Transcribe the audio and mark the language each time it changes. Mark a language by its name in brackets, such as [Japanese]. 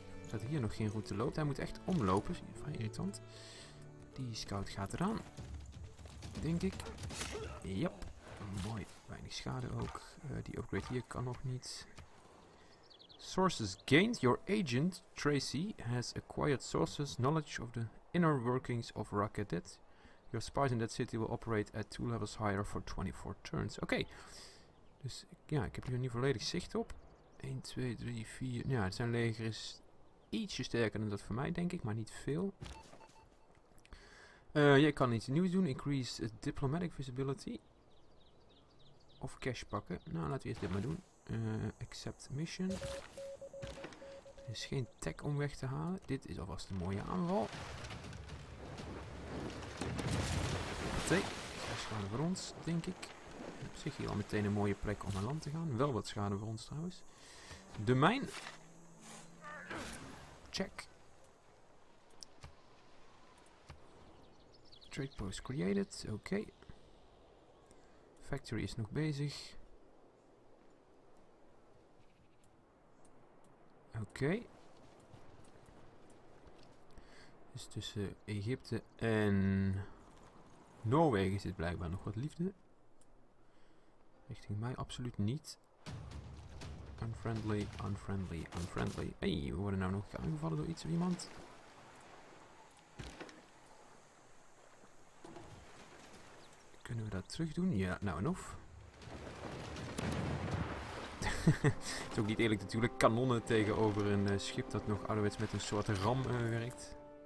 [Dutch] Dat hier nog geen route loopt, hij moet echt omlopen. Vrij irritant. Die scout gaat eraan. Denk ik. Yep. Mooi, weinig schade ook. Die upgrade hier kan nog niet. [English] Sources gained. Your agent, Tracy, has acquired sources, knowledge of the inner workings of Rakadet. Your spies in that city will operate at 2 levels higher for 24 turns. [Dutch] Oké. Okay. Dus ja, ik heb hier nu volledig zicht op. 1, 2, 3, 4. Ja, zijn leger is ietsje sterker dan dat voor mij, denk ik. Maar niet veel. Jij kan iets nieuws doen. [English] Increase diplomatic visibility. [Dutch] Of cash pakken. Nou, laten we eerst dit maar doen. [English] Accept mission. [Dutch] Er is geen tech om weg te halen. Dit is alvast een mooie aanval. Twee. Zes schade voor ons, denk ik. Op zich hier al meteen een mooie plek om aan land te gaan. Wel wat schade voor ons trouwens. De mijn. Check. [English] Trade post created. [Dutch] Oké. Okay. Factory is nog bezig. Oké. Okay. Dus tussen Egypte en Noorwegen zit blijkbaar nog wat liefde. Richting mij absoluut niet. [English] Unfriendly, unfriendly, unfriendly. [Dutch] Hey, we worden nou nog aangevallen door iets of iemand. Kunnen we dat terug doen? Ja, nou en of. Het is ook niet eerlijk natuurlijk. Kanonnen tegenover een schip dat nog ouderwets met een soort ram werkt.